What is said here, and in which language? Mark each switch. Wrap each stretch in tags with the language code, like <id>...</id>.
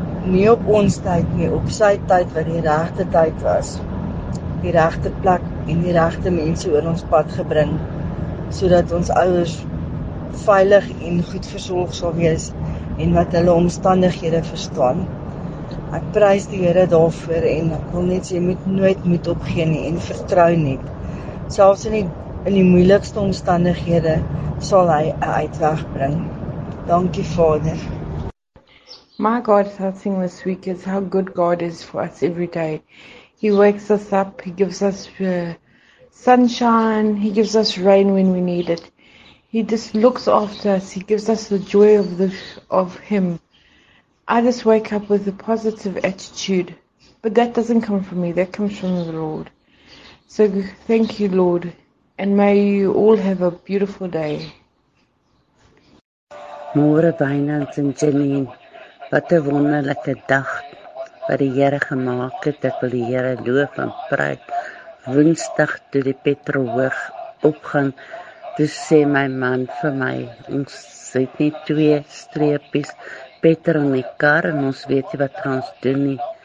<af>nie op ons tyd nie, op sy tyd wat die regte tyd was, die regte plek en die regte mense oor ons pad gebring, sodat ons ouers veilig en goed versorg sal wees en wat hulle omstandighede verstaan. Ek prys die Here daarvoor en ek wil net sê, jy moet nooit moed opgee nie en vertrou net. Selfs in die moeilikste omstandighede sal hy 'n uitweg bring. Dankie Vader.</af> <en>My God's blessing this week is how good God is for us every day. He wakes us up, He gives us sunshine, He gives us rain when we need it. He just looks after us, He gives us the joy of Him. I just wake up with a positive attitude, but that doesn't come from me, that comes from the Lord. So thank you, Lord, and may you all have a beautiful day.</en> <af>Môre Wynand en Janine, wat 'n wonderlike dag wat die Here gemaak het. Ek wil die Here loof en prys. Woensdag toe die petrol hoog opgaan, toe sê my man vir my, ons het nie 2 streepies petrol in die kar en ons weet nie wat gaan ons doen nie.</af>